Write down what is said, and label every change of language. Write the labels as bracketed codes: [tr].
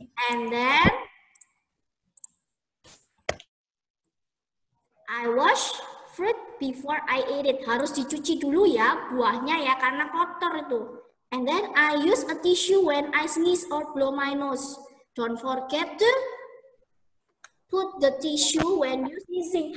[en] And then I wash fruit before I eat it. [id] Harus dicuci dulu ya buahnya ya, karena kotor itu. [en] And then I use a tissue when I sneeze or blow my nose. Don't forget to put the tissue when you sneezing.